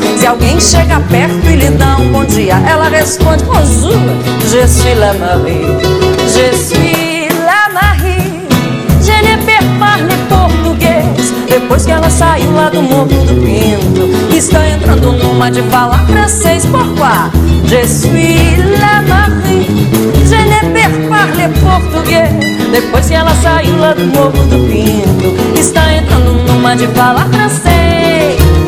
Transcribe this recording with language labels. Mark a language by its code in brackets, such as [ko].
[pt] Se alguém chega perto e lhe dá um bom dia, ela responde com azul: [fr] Je suis la Marie, je suis la Marie. Je ne parle português. [pt] Depois que ela saiu lá do Morro do Pinto, está entrando numa de falar francês por quê? [fr] Je suis la Marie, je ne parle português. [pt] Depois que ela saiu lá do Morro do Pinto, está entrando numa de falar francês.